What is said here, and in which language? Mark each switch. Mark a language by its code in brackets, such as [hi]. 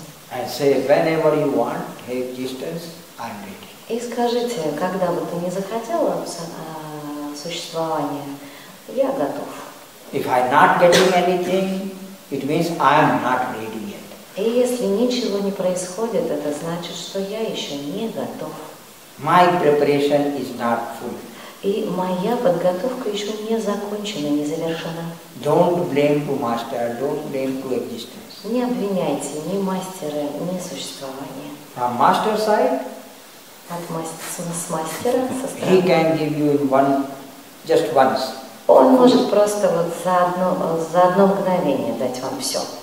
[en] And say whenever you want, have distance, I'm ready. [ru] И скажите, когда бы ты не захотел существования, я готов. [en] If I'm not getting anything, it means I'm not ready yet. [ru] И если ничего не происходит, это значит, что я еще не готов. [en] My preparation is not full. [ru] И моя подготовка еще не закончена, не завершена. [en] Don't blame to master, don't blame to existence. [ru] Не обвиняйте ни мастера, ни существование. [en] From master side? [ru] От мастера, с мастера, со стороны. [en] He can give you one, just once. [ru] Он может просто вот за одно мгновение дать вам все.